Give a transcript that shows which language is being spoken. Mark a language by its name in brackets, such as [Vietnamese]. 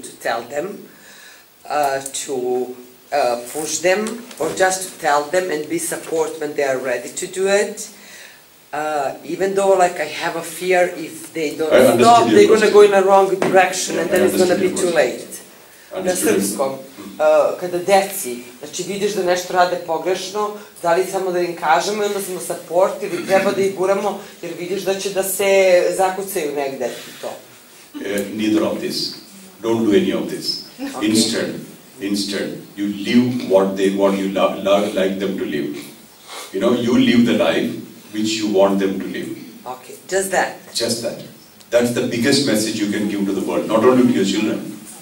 [English] To tell them, to push them, or just to tell them and be support when they are ready to do it. Even though like I have a fear if they don't stop, they're gonna go in a wrong direction, and then it's gonna be too late. [Serbian] Na srpskom, kada deci, znači vidiš da nešto rade pogrešno, da li samo da im kažemo i onda smo support ili treba da ih guramo, jer vidiš da će da se zakucaju negde i to. [English] Neither of this. Don't do any of this. Okay. Instead, you live what you like them to live. You know, you live the life which you want them to live. Okay, just that. Just that. That's the biggest message you can give to the world, not only to your children.